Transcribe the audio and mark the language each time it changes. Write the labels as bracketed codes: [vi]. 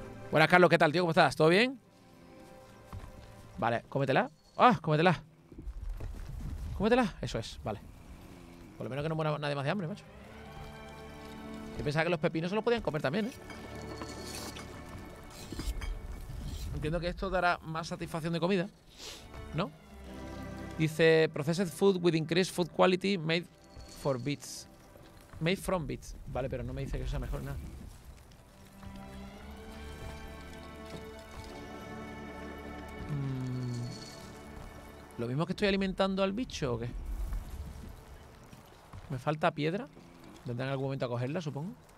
[es] Buenas, Carlos, ¿qué tal, tío? ¿Cómo estás? ¿Todo bien? Vale, cómetela. ¡Ah! ¡Cómetela! ¡Cómetela! Eso es, vale. Por lo menos que no muera nadie más de hambre, macho. Yo pensaba que los pepinos se los podían comer también, ¿eh? Entiendo que esto dará más satisfacción de comida, ¿no? [en] Dice, processed food with increased food quality made for beets. Made from beets. [es] Vale, pero no me dice que sea mejor nada. ¿Lo mismo que estoy alimentando al bicho o qué? ¿Me falta piedra? ¿Vendrá en algún momento a cogerla, supongo?